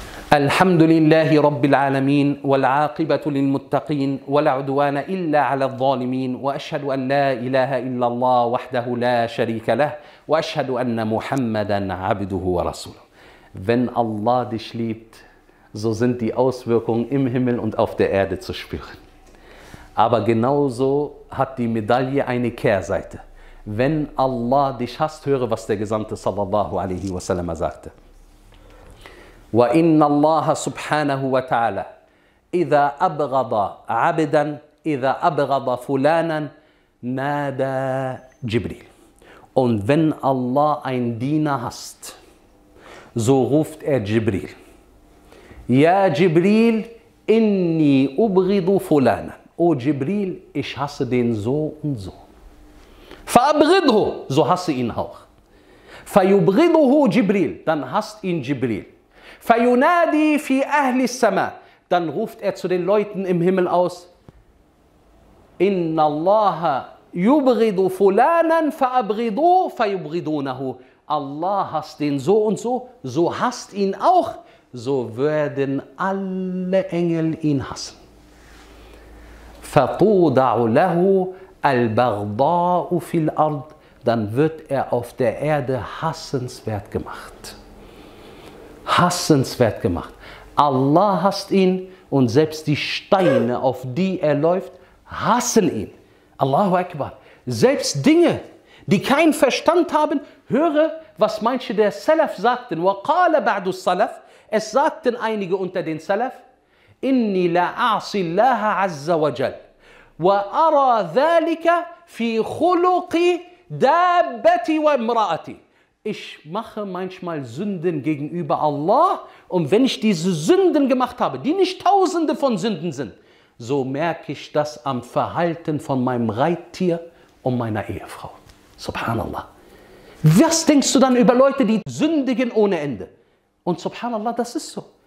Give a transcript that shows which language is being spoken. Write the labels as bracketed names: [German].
[Arabic] الحمد لله رب العالمين والعاقبة للمتقين ولا عدوان إلا على الظالمين وأشهد أن لا إله إلا الله وحده لا شريك له وأشهد أن محمدا عبده ورسوله. [German] Wenn Allah dich liebt, so sind die Auswirkungen im Himmel und auf der Erde zu spüren. Aber genauso hat die Medaille eine Kehrseite. Wenn Allah dich hasst, höre, was der Gesandte sallallahu alaihi wasallam sagte. [Arabic] وَإِنَّ اللَّهَ سُبْحَانَهُ وَتَعَالَى إِذَا أَبْغَضَ عَبْدًا إِذَا أَبْغَضَ فُلَانًا نَادَى جِبْرِيلَ. [German] Und wenn Allah ein Diener hasst, so ruft er Jibril. [Arabic] يَا جِبْرِيل إِنِّي أُبْغِضُ فُلَانًا. [German] O Jibril, ich hasse den so und so. فَأَبْغِضُهُ, so hasse ihn auch. فَيُبْغِضُهُ جِبْرِيل, dann hasst ihn Jibril. [Arabic] فَيُنَادِي فِي أَهْلِ السَّمَاءِ, dann ruft er zu den Leuten im Himmel aus, إِنَّ اللَّهَ يُبْغِضُ فُلَانًا فَأَبْغِضُوهُ فَيُبْغِضُونَهُ. [German] Allah hasst den so und so, so hasst ihn auch, so werden alle Engel ihn hassen. فَتُوضَعُ لَهُ الْبَغْضَاءُ فِي الْأَرْضِ, dann wird er auf der Erde hassenswert gemacht. Hassenswert gemacht. Allah hasst ihn und selbst die Steine, auf die er läuft, hassen ihn. Allahu Akbar. Selbst Dinge, die keinen Verstand haben, höre, was manche der Salaf sagten. [Arabic] وَقَالَ بَعْدُ السَّلَفِ, es sagten einige unter den Salaf, إِنِّي لَأَعْصِ اللَّهَ عَزَّ وَجَلَّ وَأَرَى ذَلِكَ فِي خُلُقِ دَابَّتِ وَامْرَأَتِ. [German] Ich mache manchmal Sünden gegenüber Allah und wenn ich diese Sünden gemacht habe, die nicht tausende von Sünden sind, so merke ich das am Verhalten von meinem Reittier und meiner Ehefrau. Subhanallah. Was denkst du dann über Leute, die sündigen ohne Ende? Und Subhanallah, das ist so.